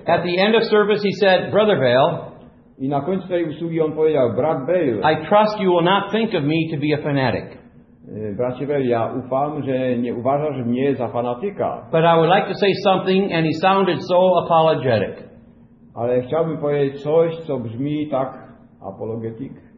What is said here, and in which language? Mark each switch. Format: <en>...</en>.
<en>At the end of service he said, Brother Vale,</en> <pl>i na końcu tej usługi on powiedział, Brat Vale,</pl> <en>I trust you will not think of me to be a fanatic.</en> <pl>Bracie Vale, ja ufam, że nie uważasz mnie za fanatyka.</pl> <en>But I would like to say something and he sounded so apologetic.</en> <pl>Ale chciałbym powiedzieć coś, co brzmi tak apologetic.</pl>